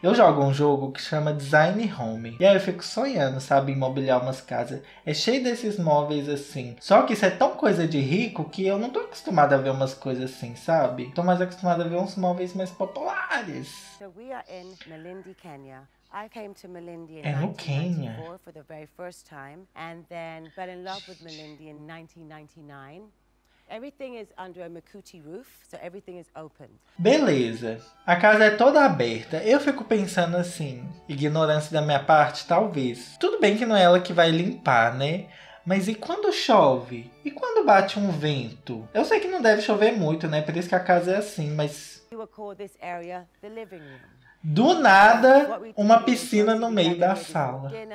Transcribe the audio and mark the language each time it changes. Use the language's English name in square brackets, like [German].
[Portuguese] Eu jogo um jogo que chama Design Home. E aí eu fico sonhando, sabe, em mobiliar umas casas. É cheio desses móveis assim. Só que isso é tão coisa de rico que eu não tô acostumada a ver umas coisas assim, sabe? Tô mais acostumada a ver uns móveis mais populares. [English] So we are in Malindi, Kenya. I came to Malindi in 1994 for the very first time and then fell in love with Malindi in 1999. Everything is under a Makuti roof, so everything is open. [Portuguese] Beleza. A casa é toda aberta. Eu fico pensando assim, ignorância da minha parte, talvez. Tudo bem que não é ela que vai limpar, né? Mas e quando chove? E quando bate um vento? Eu sei que não deve chover muito, né? Por isso que a casa é assim, mas [English] you would call this area the living room. [Portuguese] Do nada, uma piscina no meio da sala.